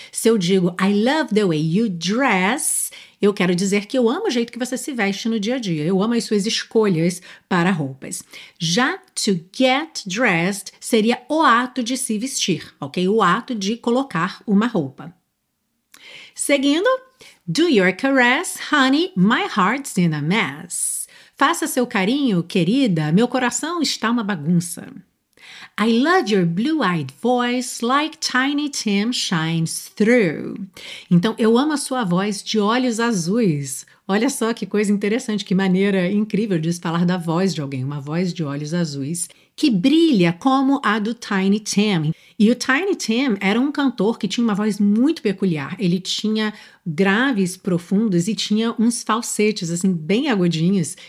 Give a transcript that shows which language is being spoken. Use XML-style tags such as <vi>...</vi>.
<pt>Se eu digo,</pt> <en>I love the way you dress,</en> <pt>eu quero dizer que eu amo o jeito que você se veste no dia a dia, eu amo as suas escolhas para roupas. Já to get dressed seria o ato de se vestir, ok? O ato de colocar uma roupa.</pt> <en>Seguindo, do your caress, honey, my heart's in a mess.</en> <pt>Faça seu carinho, querida, meu coração está uma bagunça.</pt> <en>I love your blue-eyed voice like Tiny Tim shines through.</en> <pt>Então, eu amo a sua voz de olhos azuis. Olha só que coisa interessante, que maneira incrível de falar da voz de alguém, uma voz de olhos azuis, que brilha como a do Tiny Tim. E o Tiny Tim era um cantor que tinha uma voz muito peculiar. Ele tinha graves profundos e tinha uns falsetes, assim, bem agudinhos.</pt>